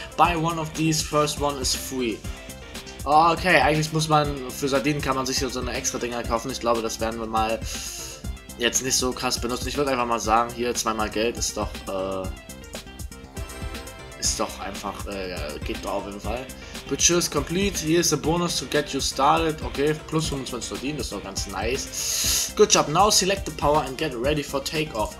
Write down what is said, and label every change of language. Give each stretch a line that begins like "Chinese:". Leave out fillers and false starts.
English: Buy one of these, first one is free.
German: Okay, eigentlich muss man, für Sardinen kann man sich so eine extra Dinger kaufen. Ich glaube, das werden wir mal jetzt nicht so krass benutzen. Ich würde einfach mal sagen, hier zweimal Geld geht doch auf jeden Fall.
English: Butcher is complete. Here is a bonus to get you started.
German: Okay, plus 25 Sardinen, das ist doch ganz nice.
English: Good job. Now select the power and get ready for takeoff.